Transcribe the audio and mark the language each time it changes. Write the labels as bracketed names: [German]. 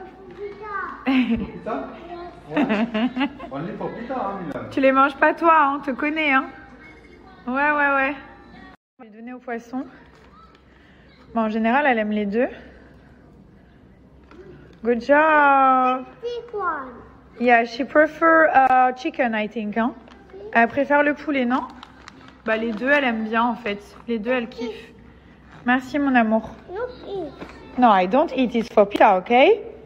[French] Pizza. Pizza. Ouais. On est pour pizza, hein, Milan. Tu les manges pas toi, hein, te connais, hein. Ouais. Je vais donner au poisson. Bon, en général, elle aime les deux. [English] Good job. Yeah, she prefers chicken, I think, hein. [French] Elle préfère le poulet, non? Bah, les deux, elle aime bien, en fait. Les deux, elle kiffe. Merci, mon amour. [English] No, I don't eat it for Peter, okay?